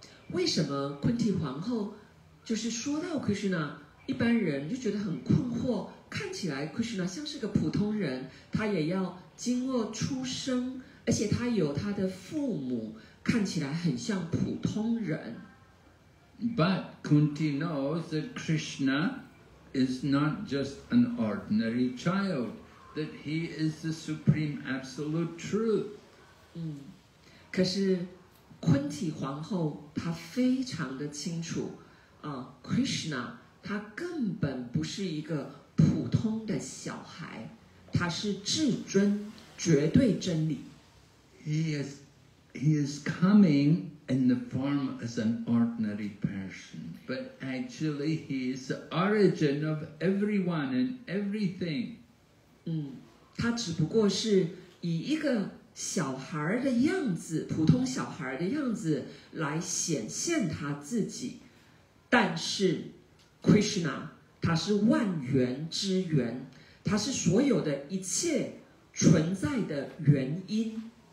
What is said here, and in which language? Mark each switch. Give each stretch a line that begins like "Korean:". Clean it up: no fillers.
Chinese: 为什么昆蒂皇后就是说到 Krishna, 一般人就觉得很困惑，看起来 Krishna 像是个普通人，他也要经过出生，而且他有他的父母，看起来很像普通人。
English: But Kunti knows that Krishna is not just an ordinary child, that he is the Supreme Absolute Truth.
Chinese: 可是昆蒂皇后她非常的清楚，Krishna 他根本不是一个普通的小孩，他是至尊，绝对真理。
English: He is coming in the form as an ordinary person, but actually he is the origin of everyone and everything.
Chinese: 他只不过是以一个小孩的样子，普通小孩的样子来显现他自己，但是 Krishna 他是万源之源，他是所有的一切存在的原因。